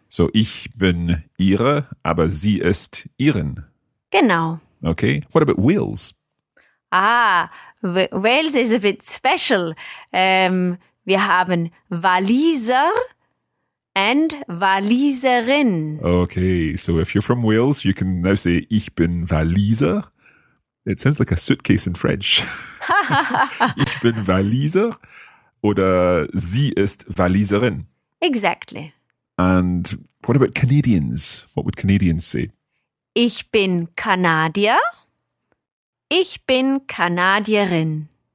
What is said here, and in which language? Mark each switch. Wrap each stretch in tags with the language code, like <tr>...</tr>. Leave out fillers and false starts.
<de>So ich bin Ire, aber sie ist Irin. Genau.</de> <en>Okay. What about Wales? Ah, Wales is a bit special.</en> <de>Wir haben Waliser and Waliserin.</de> <en>Okay. So if you're from Wales, you can now say</en> <de>ich bin Waliser.</de> <en>It sounds like a suitcase in French.</en> <de>Ich bin Waliser. Oder sie ist Waliserin.</de> <en>Exactly. And what about Canadians? What would Canadians say?</en> <de>Ich bin Kanadier. Ich bin Kanadierin.</de>